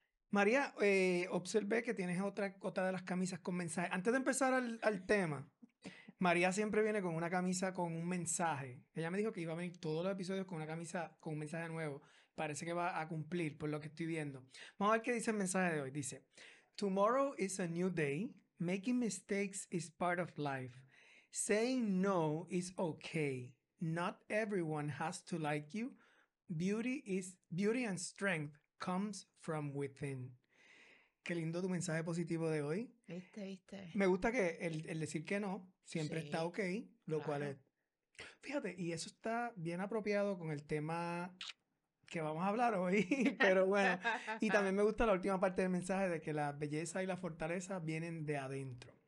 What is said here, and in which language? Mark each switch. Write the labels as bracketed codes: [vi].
[es] María, observé que tienes otra de las camisas con mensaje. Antes de empezar al tema, María siempre viene con una camisa con un mensaje. Ella me dijo que iba a venir todos los episodios con una camisa con un mensaje nuevo. Parece que va a cumplir por lo que estoy viendo. Vamos a ver qué dice el mensaje de hoy. Dice, [en] tomorrow is a new day. Making mistakes is part of life. Saying no is okay. Not everyone has to like you. Beauty and strength comes from within. [es] Qué lindo tu mensaje positivo de hoy. Viste. Me gusta que el decir que no siempre sí, está ok, lo claro. Cual es... Fíjate, y eso está bien apropiado con el tema que vamos a hablar hoy, pero bueno. Y también me gusta la última parte del mensaje de que la belleza y la fortaleza vienen de adentro.